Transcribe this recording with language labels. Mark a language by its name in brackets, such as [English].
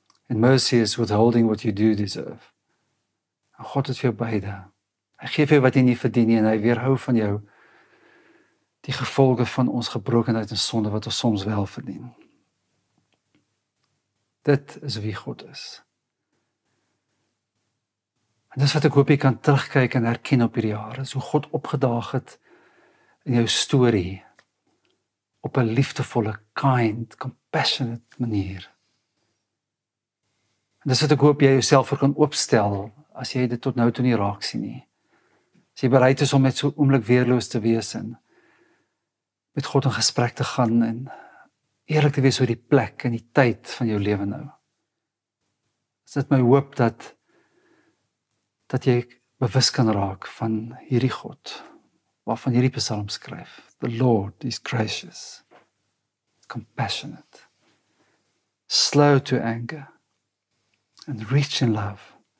[English] And mercy is withholding what you do deserve. [Afrikaans] En God het vir jou beide. Hy geef jou wat jy nie verdien nie, en hy weerhou van jou die gevolge van ons gebrokenheid en sonde wat ons soms wel verdien. Dit is wie God is. En dis wat ek hoop jy kan terugkyk en herken op hierdie jaar, is hoe God opgedaag het in jou story op een liefdevolle, [English] kind, compassionate [Afrikaans] manier. En dis wat ek hoop jy jouself vir kan opstel, as jy dit tot nou toe nie raak sien nie. As jy bereid is om met so oomblik weerloos te wees en met God in gesprek te gaan en eerlik te wees oor die plek en die tyd van jou leven nou. Is dit my hoop dat jy bewus kan raak van hierdie God, waarvan hierdie psalm skryf. [English] The Lord is gracious, compassionate, slow to anger, and rich in love.